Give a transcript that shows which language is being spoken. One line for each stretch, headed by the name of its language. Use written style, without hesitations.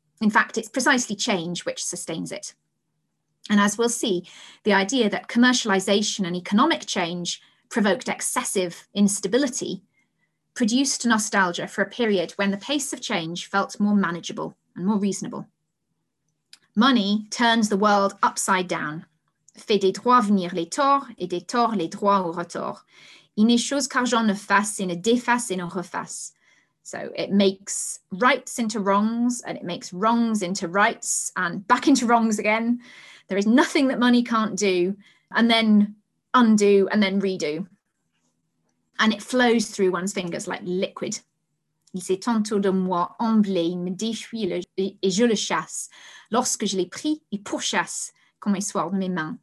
English: In fact, it's precisely change which sustains it. And as we'll see, the idea that commercialization and economic change provoked excessive instability produced nostalgia for a period when the pace of change felt more manageable and more reasonable. Money turns the world upside down.
French: Fait des droits venir les torts et des torts les droits au retour. Il n'est chose qu'argent ne fasse et ne défasse et ne refasse.
English: So it makes rights into wrongs and it makes wrongs into rights and back into wrongs again. There is nothing that money can't do, and then undo, and then redo. And it flows through one's fingers like liquid.
French: Il s'est tantôt de moi emblé, il me défuit et je le chasse. Lorsque je l'ai pris, il pourchasse comme il soit de mes mains.